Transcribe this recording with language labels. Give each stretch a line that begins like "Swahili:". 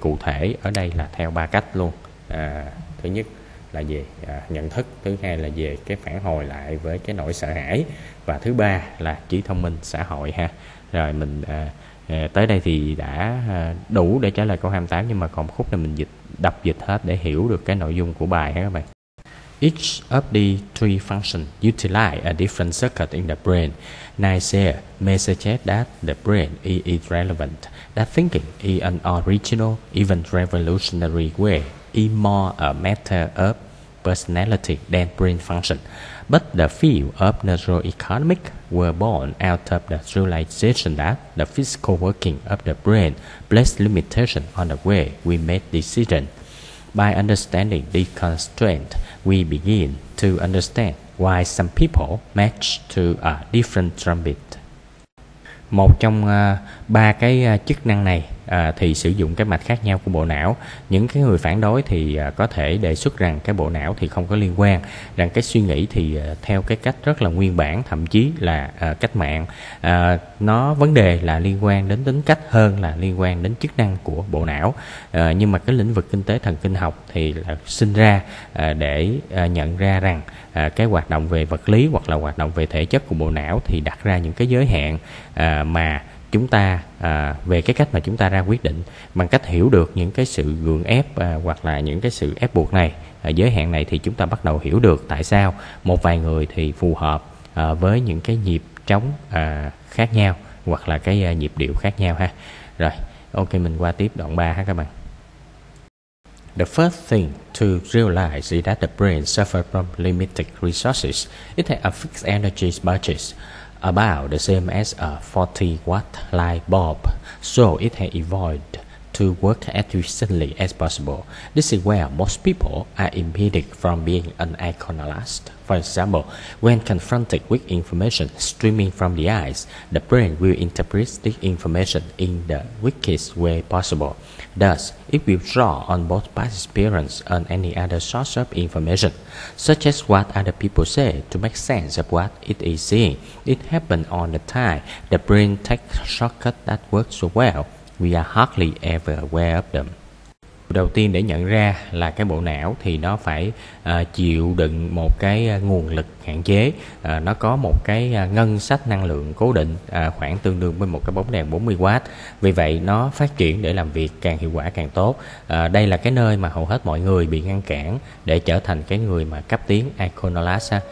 Vietnamese: Cụ thể ở đây là theo ba cách luôn. Thứ nhất là về nhận thức, thứ hai là về cái phản hồi lại với cái nỗi sợ hãi, và thứ ba là trí thông minh xã hội ha. Rồi mình tới đây thì đã đủ để trả lời câu 28, nhưng mà còn khúc này mình dịch, đọc dịch hết để hiểu được cái nội dung của bài ha các bạn.
English: Each of the three functions utilize a different circuit in the brain. Nicer messages that the brain is irrelevant, that thinking is an original, even revolutionary way, is more a matter of personality than brain function. But the field of neuroeconomics were born out of the realization that the physical working of the brain placed limitations on the way we make decisions. By understanding the constraint, we begin to understand why some people match to a different drumbeat.
Vietnamese: Một trong ba cái chức năng này thì sử dụng cái mạch khác nhau của bộ não. Những cái người phản đối thì có thể đề xuất rằng cái bộ não thì không có liên quan, rằng cái suy nghĩ thì theo cái cách rất là nguyên bản, thậm chí là cách mạng. Nó vấn đề là liên quan đến tính cách hơn là liên quan đến chức năng của bộ não. Nhưng mà cái lĩnh vực kinh tế thần kinh học thì là sinh ra để nhận ra rằng cái hoạt động về vật lý hoặc là hoạt động về thể chất của bộ não thì đặt ra những cái giới hạn mà chúng ta về cái cách mà chúng ta ra quyết định. Bằng cách hiểu được những cái sự gượng ép hoặc là những cái sự ép buộc này, giới hạn này, thì chúng ta bắt đầu hiểu được tại sao một vài người thì phù hợp với những cái nhịp trống khác nhau hoặc là cái nhịp điệu khác nhau ha. Rồi, ok, mình qua tiếp đoạn 3 ha các bạn.
English: The first thing to realize is that the brain suffers from limited resources. It has a fixed energy budget, about the same as a 40-watt light bulb, so it has evolved to work as efficiently as possible. This is where most people are impeded from being an iconoclast. For example, when confronted with information streaming from the eyes, the brain will interpret this information in the weakest way possible. Thus, it will draw on both past experience and any other source of information, such as what other people say, to make sense of what it is seeing. It happens all the time. The brain takes shortcuts that work so well, we are hardly ever aware of them.
Vietnamese: Đầu tiên để nhận ra là cái bộ não thì nó phải chịu đựng một cái nguồn lực hạn chế, nó có một cái ngân sách năng lượng cố định khoảng tương đương với một cái bóng đèn 40W. Vì vậy nó phát triển để làm việc càng hiệu quả càng tốt. Đây là cái nơi mà hầu hết mọi người bị ngăn cản để trở thành cái người mà cấp tiến iconoclast.